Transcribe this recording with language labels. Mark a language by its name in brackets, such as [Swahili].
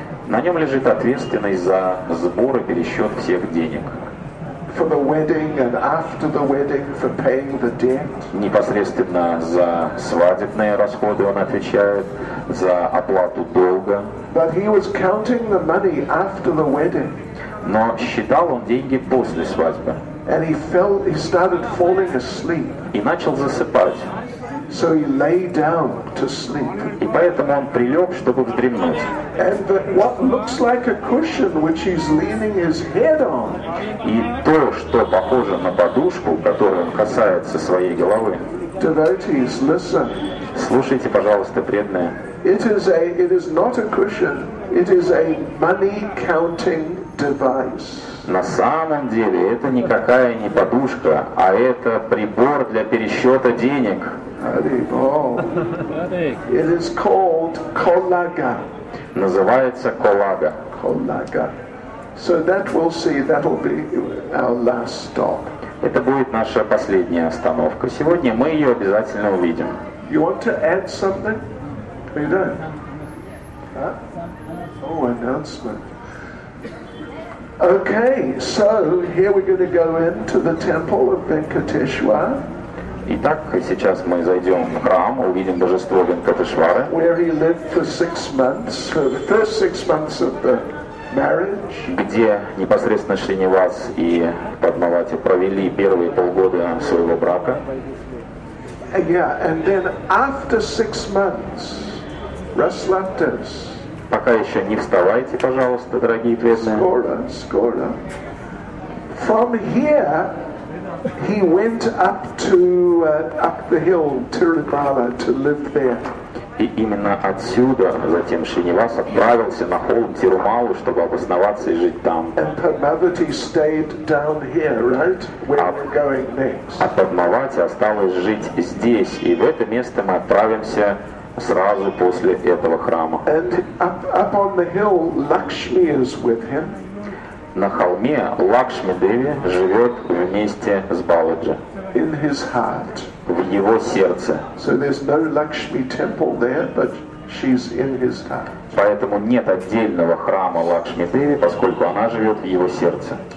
[Russian] На нем лежит ответственность за сбор и пересчет всех денег. [English] For the wedding and after the wedding for paying the debt. [Russian] Непосредственно за свадебные расходы он отвечает, за оплату долга. [English] But he was counting the money after the wedding. [Russian] Но считал он деньги после свадьбы. [English] And he started falling asleep. [Russian] И начал засыпать. [English] So he lay down to sleep. [Russian] И поэтому он прилег, чтобы вздремнуть. [English] And what looks like a cushion which he's leaning his head on. [Russian] И то, что похоже на подушку, которую он касается своей головы. [English] Devotees, listen. [Russian] Слушайте, пожалуйста, преданные. [English] It is not a cushion. It is a money counting device. [Russian] На самом деле это никакая не подушка, а это прибор для пересчета денег. [English] It is called kolaga. [Russian] Называется kolaga. [English] Kolaga. So that we'll see. That will be our last stop. [Russian] Это будет наша последняя остановка. Сегодня мы ее обязательно увидим. [English] You want to add something? We do. Oh, announcement. Okay, so here we're going to go into the temple of Venkateshwar. [Russian] Итак, сейчас мы зайдем в храм, увидим божество Венкатешвары. [English] Where he lived for 6 months, for the first 6 months of the marriage. [Russian] Где непосредственно Шринивас и Падмавати провели первые полгода своего брака. [English] Yeah, and then after 6 months, Rasleptas. [Russian] Пока еще не вставайте, пожалуйста, дорогие преданные. Скоро. [English] From here, he went up to up the hill Tirumala to live there. [Russian] И именно отсюда затем Шринивас отправился на холм Тирумалу, чтобы обосноваться и жить там. [English] And Padmavati stayed down here, right? Where we're going next. [Russian] А Падмавати осталось жить здесь, и в это место мы отправимся сразу после этого храма. [English] And up on the hill, Lakshmi is with him. [Russian] На холме Лакшми Деви живет вместе с Баладжи. [English] In his heart. [Russian] В его сердце. [English] So there's no Lakshmi temple there, but she's in his heart. [Russian] Поэтому нет отдельного храма Лакшми Деви, поскольку она живет в его сердце.